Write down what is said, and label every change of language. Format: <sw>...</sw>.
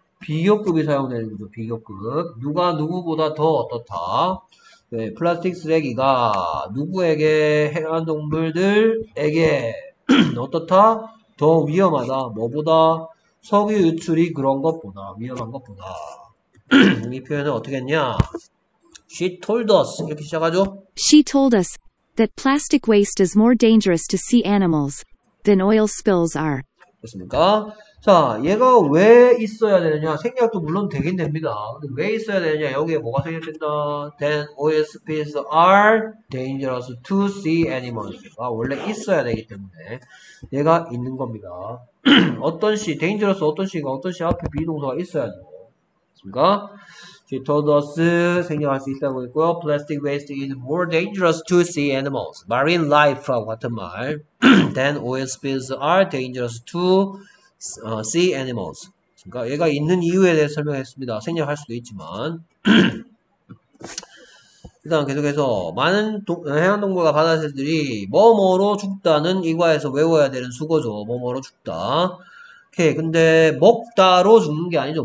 <ko>비교급이 사용되는 거죠. 비교급. 누가 누구보다 더 어떻다? 네, 플라스틱 쓰레기가 누구에게, 해안동물들에게 어떻다? 더 위험하다. 뭐보다? 석유 유출이 그런 것보다, 위험한 것보다. 이 표현은 어떻게 했냐?</ko> <en>She told us.</en> <ko>이렇게 시작하죠?</ko> <en>She told us that plastic waste is more dangerous to sea animals than oil spills are.</en> <ko>됐습니까? 자, 얘가 왜 있어야 되느냐? 생략도 물론 되긴 됩니다. 근데 왜 있어야 되느냐? 여기에 뭐가 생략된다?</ko> <en>Then oil spills are dangerous to sea animals.</en> <ko>아, 원래 있어야 되기 때문에 얘가 있는 겁니다. 어떤 시, dangerous 어떤 시가 어떤 시 앞에 be 동사가 있어야죠. 그러니까</ko> <en>she told us</en> <ko>생략할 수 있다고 했고요.</ko> <en>Plastic waste is more dangerous to sea animals. Marine life</en> <ko>하고 같은 말.</ko> <en>Then oil spills are dangerous to sea animals.</en> <ko>그러니까 얘가 있는 이유에 대해 설명했습니다. 생략할 수도 있지만. 일단 계속해서 많은 해양동물과 바다새들이 뭐뭐로 죽다는 이과에서 외워야 되는 숙어죠. 뭐뭐로 죽다. 오케이. 근데 먹다로 죽는 게 아니죠.</ko>